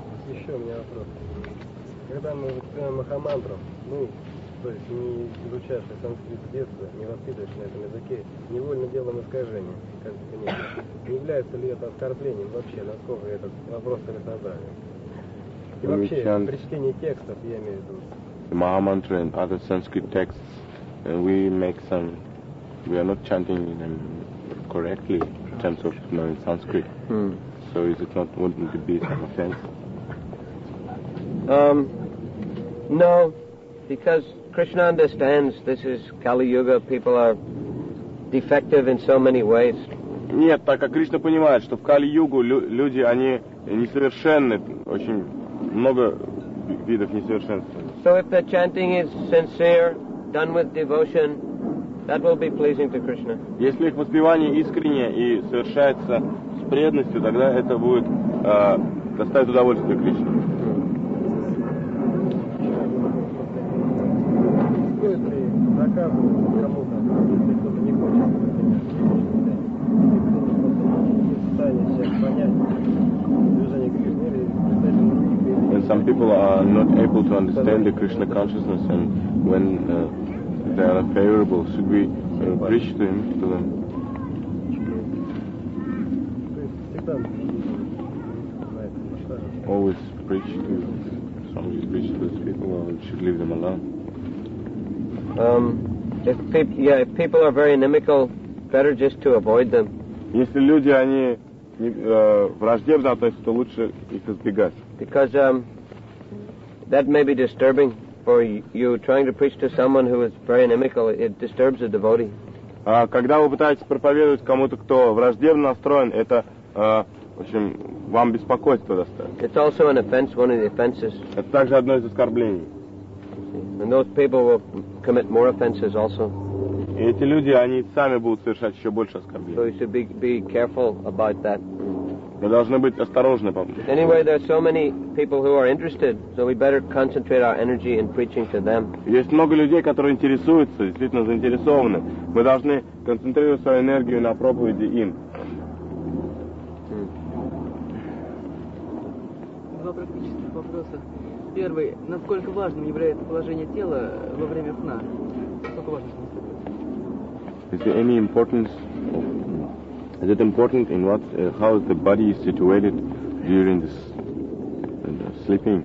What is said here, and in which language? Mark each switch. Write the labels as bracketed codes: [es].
[ru] Еще у меня вопрос. Когда мы вот Махамантру, ну, в то есть не изучавший санскрит с детства, не воспитываешься на этом языке, невольно делаем искажение, как это не является ли это оскорблением вообще, насколько этот вопрос разобрали. И вообще, при чтении текстов, я имею в виду. [en] Mahamantra and other Sanskrit texts, we make some, we are not chanting them correctly in terms of knowing Sanskrit. Mm. So is it not wanting to be some offense? No, because Krishna understands this is Kali Yuga, people are defective in so many ways. [ru] Нет, так как Кришна понимает, что в Кали Югу люди, они несовершенны, очень много видов несовершенства. [en] So if the chanting is sincere, done with devotion, that will be pleasing to Krishna. [ru] Если их воспевание искреннее и совершается с преданностью, тогда это будет доставить удовольствие Кришне. [en] When some people are not able to understand the Krishna consciousness and when they are unfavorable, should we preach to him, to them? Always preach to some preach to those people or should leave them alone? If people are very inimical, better just to avoid them. [ru] Если люди они враждебны, то есть то лучше их избегать. [en] Because that may be disturbing for you trying to preach to someone who is very inimical. It disturbs a devotee. [ru] Когда вы пытаетесь проповедовать кому-то, кто враждебно настроен, это в общем вам беспокойство доставит. [en] It's also an offense, one of the offenses. [ru] Это также одно из оскорблений. [en] And those people will commit more offenses also. [ru] Эти люди, они сами будут совершать еще больше оскорблений. [en] So you should be careful about that. [ru] Вы должны быть осторожны, по-моему. [en] Anyway, there are so many people who are interested, so we better concentrate our energy in preaching to them. [ru] Есть много людей, которые интересуются, действительно заинтересованы. Мы должны концентрировать свою энергию на проповеди им. Два практических вопроса. Первый. Насколько важным является положение тела во время сна? Насколько важно, что наступает? [en] Is there any importance? Is it important in what? How is the body situated during this sleeping?